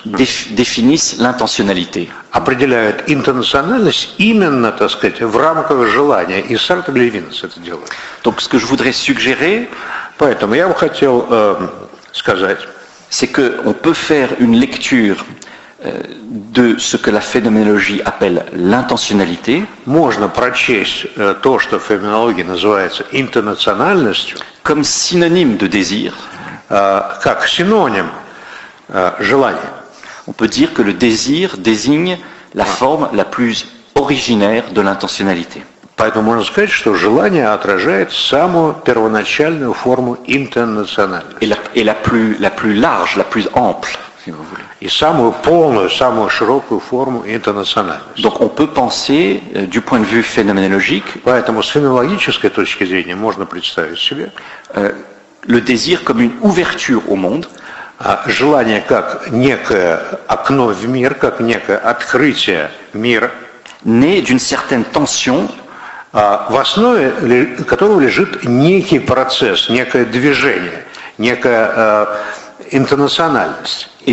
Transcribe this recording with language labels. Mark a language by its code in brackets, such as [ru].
[fr] définissent l'intentionnalité. [ru] Определяют интенциональность именно, так сказать, в рамках желания. И Сартр и Левинас это делают. [fr] Donc, ce que je voudrais suggérer, [ru] поэтому я бы хотел сказать, [fr] c'est que on peut faire une lecture de ce que la phénoménologie appelle l'intentionnalité. [ru] Можно прочесть то, что в феноменологии называется интернациональностью, [fr] comme synonyme de désir, [ru] как синоним желания. [fr] On peut dire que le désir désigne la forme la plus originaire de l'intentionnalité. [ru] Поэтому можно сказать, что желание отражает самую первоначальную форму интернациональности. [fr] La plus large, la plus ample, si vous voulez. [ru] И самую полную, самую широкую форму интернациональности. [fr] Donc on peut penser, du point de vue phénoménologique, [ru] поэтому с феноменологической точки зрения можно представить себе [fr] le désir comme une ouverture au monde, [ru] желание как некое окно в мир, как некое открытие мира, [fr] né d'une certaine tension, [ru] в основе которого лежит некий процесс, некое движение, некая интернациональность.